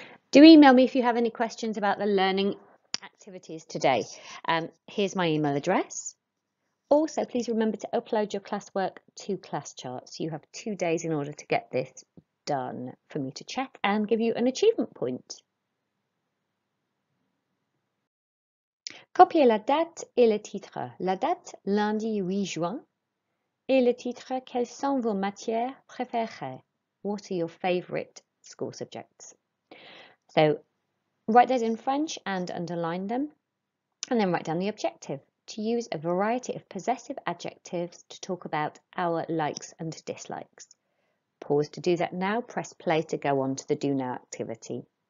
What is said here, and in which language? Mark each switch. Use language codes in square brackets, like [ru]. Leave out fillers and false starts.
[en] Do email me if you have any questions about the learning activities today. Here's my email address. Also, please remember to upload your classwork to class charts. You have 2 days in order to get this done for me to check and give you an achievement point. [fr] Copiez la date et le titre. La date, lundi 8 juin. Et le titre, quelles sont vos matières préférées? [en] What are your favourite school subjects? So, write those in French and underline them. And then write down the objective. To use a variety of possessive adjectives to talk about our likes and dislikes. Pause to do that now. Press play to go on to the Do Now activity.